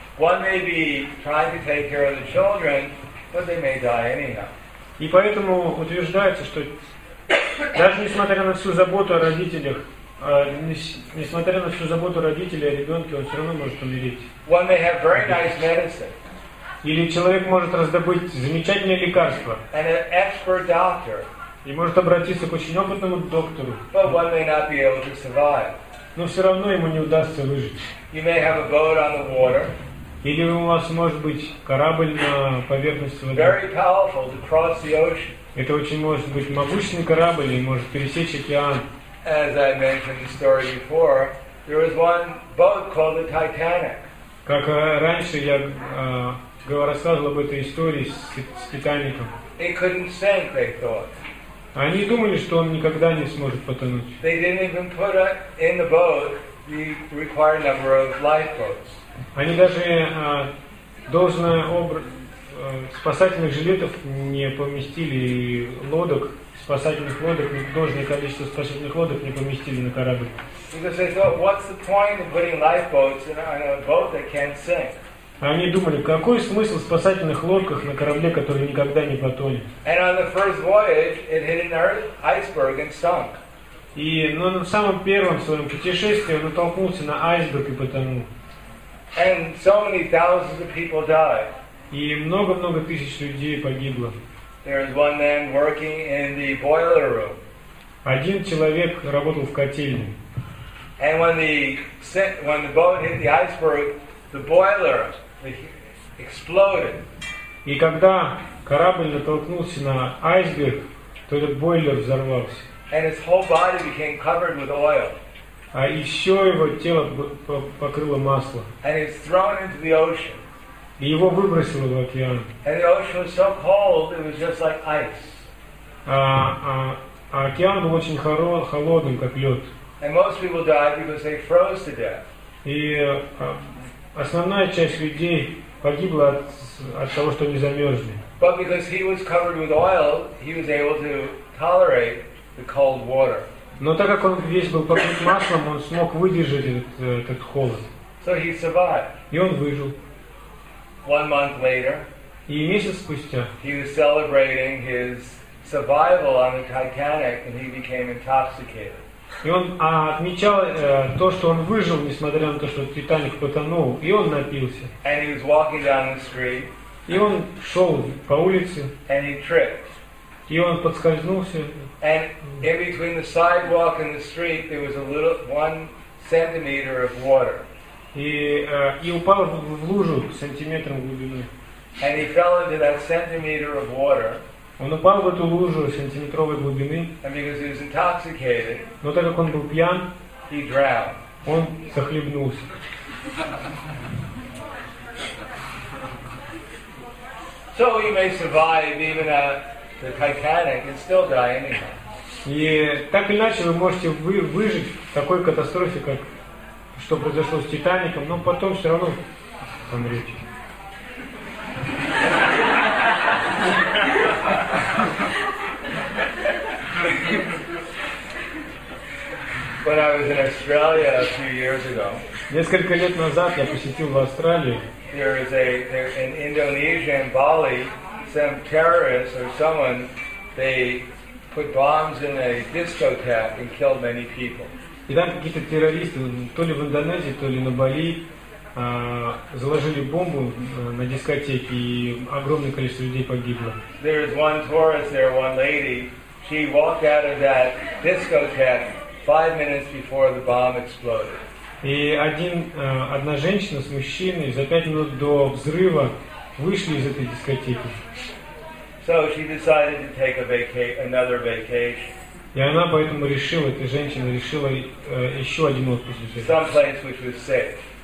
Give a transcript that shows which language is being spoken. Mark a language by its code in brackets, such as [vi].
[en] One may be trying to take care of the children, but they may die anyhow. [ru] И поэтому утверждается, что даже несмотря на всю заботу о родителях, несмотря на всю заботу родителей о ребенке, он все равно может умереть. [en] One may have very nice medicine. [ru] Или человек может раздобыть замечательное лекарство. [en] And an expert doctor. [ru] И может обратиться к очень опытному доктору. [en] But one may not be able to survive. [ru] Но все равно ему не удастся выжить. [en] You may have a boat on the water. [ru] Или у вас может быть корабль на поверхности воды. [en] Very powerful to cross the ocean. [ru] Это очень может быть могучий корабль и может пересечь океан. [en] As I mentioned the story before, there was one boat called the Titanic. [ru] Как раньше я рассказывал об этой истории с Титаником. [en] It couldn't sink, they thought. [ru] Они думали, что он никогда не сможет потонуть. [en] They didn't even put in the boat the required number of lifeboats. [ru] Они даже должное спасательных жилетов не поместили и лодок. Спасательных лодок, должное количество спасательных лодок не поместили на корабль. [en] Because they thought, what's the point of putting lifeboats in a boat that can't sink? [ru] Они думали, какой смысл в спасательных лодках на корабле, который никогда не потонет? [en] And on the first voyage, it hit an iceberg and sunk. [ru] И на самом первом своем путешествии он натолкнулся на айсберг и потонул. [en] And so many thousands of people died. [ru] И много-много тысяч людей погибло. [en] There is one man working in the boiler room. [ru] Один человек работал в котельной. [en] And when the boat hit the iceberg, the boiler exploded. [ru] И когда корабль натолкнулся на айсберг, то этот бойлер взорвался. [en] And his whole body became covered with oil. [ru] А еще его тело покрыло масло. [en] And he was thrown into the ocean. [ru] И его выбросило в океан. [en] And the ocean was so cold, it was just like ice. [ru] А океан был очень холодным, как лед. [en] And most people died because they froze to death. [ru] И основная часть людей погибла от того, что они замерзли. [en] But because he was covered with oil, he was able to tolerate the cold water. [ru] Но так как он весь был покрыт маслом, он смог выдержать этот холод. [en] So he survived. [ru] И он выжил. [en] 1 month later, he was celebrating his survival on the Titanic, and he became intoxicated. [ru] И он отмечал то, что он выжил, несмотря на то, что Титаник потонул, и он напился. [en] And he was walking down the street. [ru] И он шел по улице. [en] And he tripped. [ru] И он подскользнулся. [en] And in between the sidewalk and the street, there was a little 1 centimeter of water. [ru] И упал в лужу сантиметром глубины. [en] And he fell into that centimeter of water. [ru] Он упал в эту лужу сантиметровой глубины. [en] And because he was intoxicated, [ru] но так как он был пьян, [en] he drowned. [ru] Он захлебнулся. [en] So he may survive even at the Titanic and still die anyhow. [ru] И так или иначе вы можете выжить в такой катастрофе, как что произошло с Титаником, но потом все равно помрете. [en] When I was in Australia a few years ago, [ru] несколько лет назад я посетил в Австралии. [en] There is in Indonesia in Bali, some terrorists or someone, they put bombs in a discotheque and killed many people. [ru] И там какие-то террористы, то ли в Индонезии, то ли на Бали, заложили бомбу на дискотеке, и огромное количество людей погибло. [en] There is one tourist there, one lady. She walked out of that discotheque 5 minutes before the bomb exploded. [ru] И одна женщина с мужчиной за 5 минут до взрыва вышли из этой дискотеки. [en] So she decided to take another vacation. [ru] И она поэтому решила, эта женщина решила еще один отпуск взять. [en] Someplace which was safe.